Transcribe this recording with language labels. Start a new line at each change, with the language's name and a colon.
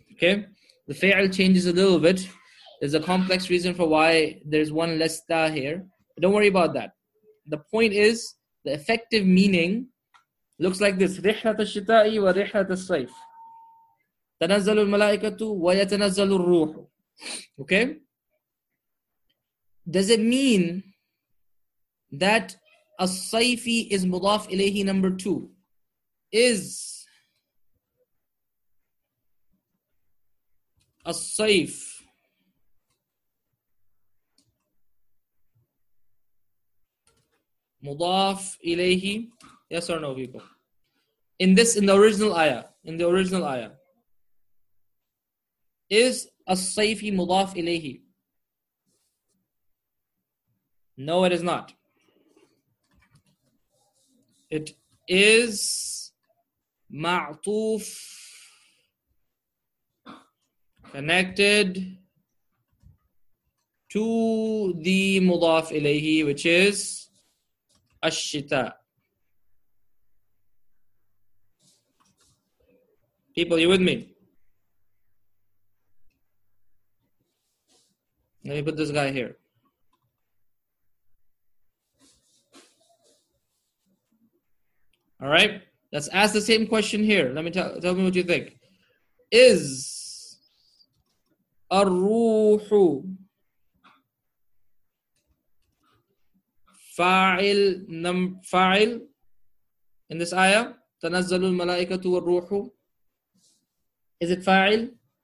English: Okay, the fa'il changes a little bit. There's a complex reason for why there's one less ta here. Don't worry about that. The point is, the effective meaning looks like this.
Arabic: رحلة الشتاء ورحلة الصيف. تنزل الملائكة ويتنزل الروح.
English: Okay? Does it mean that الصيفي is مضاف إليه number two? Is الصيف مضاف إليه, yes or no people? In the original ayah.
Arabic: Is الصيف مضاف إليه?
English: No, it is not. It is معطوف, connected to the مضاف إليه, which is الشتاء. People, you with me? Let me put this guy here. All right. Let's ask the same question here. Let me tell me what you think. Is
Arabic: الروح فاعل فاعل
English: in this ayah,
Arabic: تنزل الملائكة والروح,
English: is it
Arabic: فاعل?